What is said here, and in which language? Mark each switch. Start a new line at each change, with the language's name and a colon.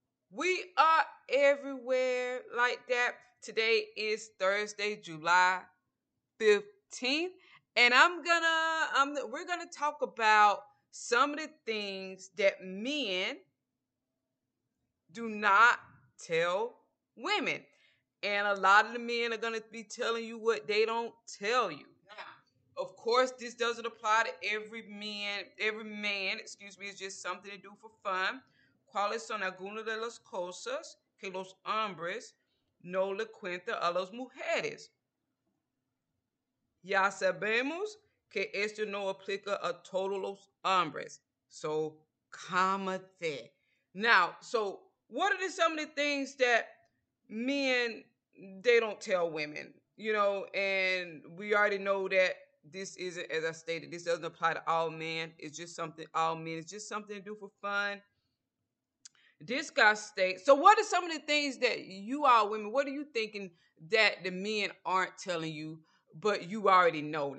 English: We are everywhere like that. Today is Thursday, July 15th, and we're gonna talk about some of the things that men do not tell women. And a lot of the men are going to be telling you what they don't tell you. Now, of course, this doesn't apply to every man, it's just something to do for fun.
Spanish: ¿Cuáles son algunas de las cosas que los hombres no le cuentan a las mujeres? Ya sabemos que esto no aplica a todos los hombres. So, cálmate.
English: Now, so, what are some of the things that men... they don't tell women, you know, and we already know that this isn't, as I stated, this doesn't apply to all men. It's just something, all men, it's just something to do for fun. This guy states, so what are some of the things that you all women, what are you thinking that the men aren't telling you, but you already know?